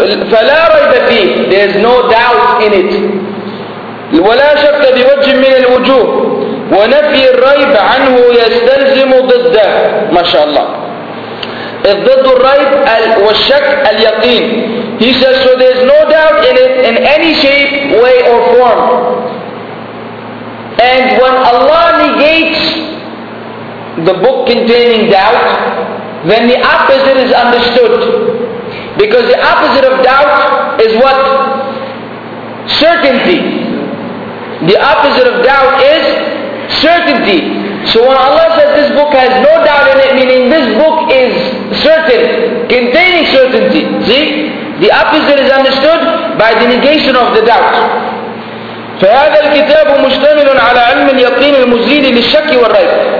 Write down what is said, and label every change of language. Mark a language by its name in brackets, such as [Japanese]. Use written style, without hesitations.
[Arabic] فلا ريب فيه, [English] there is no doubt in it. [Arabic] ولا شك بوجه من الوجوه ونفي الريب عنه يستلزم ضده ما شاء الله. الضد الريب والشك اليقين. [English] He says, so there is no doubt in it in any shape, way or form. And when Allah negates the book containing doubt, then the opposite is understood. Because the opposite of doubt is what? Certainty. The opposite of doubt is certainty. So when Allah says this book has no doubt in it, meaning this book is certain, containing certainty. See? The opposite is understood by the negation of the doubt. [Arabic] فهذا الكتاب مشتمل على علم اليقين المزيد للشك والريب.